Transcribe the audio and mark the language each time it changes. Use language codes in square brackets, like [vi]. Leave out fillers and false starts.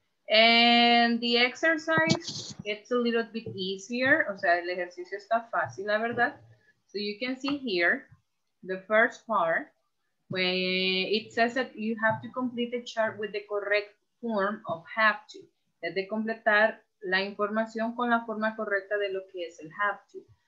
[en] And the exercise, it's a little bit easier. [es] O sea, el ejercicio está fácil, la verdad. [en] So you can see here, the first part, where it says that you have to complete the chart with the correct form of have to. [es] Es de completar la información con la forma correcta de lo que es el have to.